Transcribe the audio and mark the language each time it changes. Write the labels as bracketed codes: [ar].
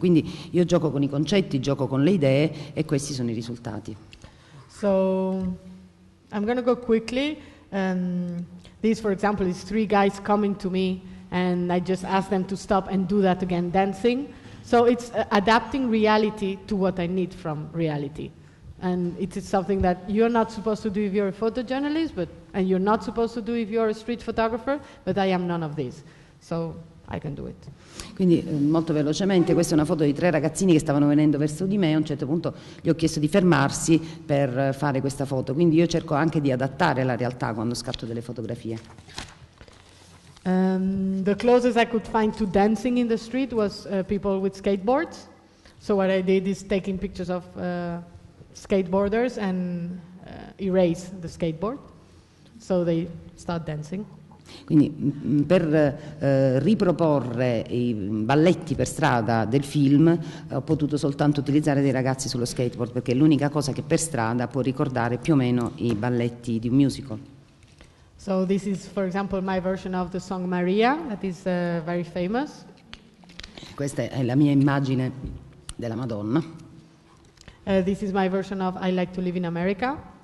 [it] Quindi io gioco con i concetti, gioco con le idee e questi sono i risultati. [en] So I'm going to go quickly. This, for example, is three guys coming to me, and I just ask them to stop and do that again, dancing. So it's adapting reality to what I need from reality. And it is something that you're not supposed to do if you're a photojournalist, but and you're not supposed to do if you're a street photographer, but I am none of these. So I can do it. [it] Quindi molto velocemente, questa è una foto di tre ragazzini che stavano venendo verso di me, a un certo punto gli ho chiesto di fermarsi per fare questa foto, quindi io cerco anche di adattare la realtà quando scatto delle fotografie. [en] The closest I could find to dancing in the street was people with skateboards. So what I did is taking pictures of skateboarders and erase the skateboard so they start dancing. [it] Quindi per riproporre i balletti per strada del film ho potuto soltanto utilizzare dei ragazzi sullo skateboard, perché è l'unica cosa che per strada può ricordare più o meno i balletti di un musical. [en] So this is for example my version of the song Maria that is very famous. [it] Questa è la mia immagine della Madonna. [en] This is my version of I like to live in America.